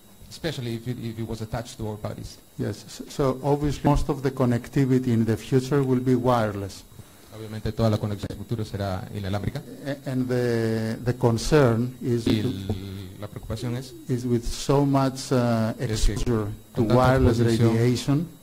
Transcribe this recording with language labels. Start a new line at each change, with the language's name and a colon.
English: Especially if it was attached to our bodies. Yes, so obviously most of the connectivity in the future will be wireless.
Spanish: Obviamente toda la conexión en el futuro será inalámbrica.
English: And the concern is
Spanish: la preocupación es
English: is with so much exposure to wireless radiation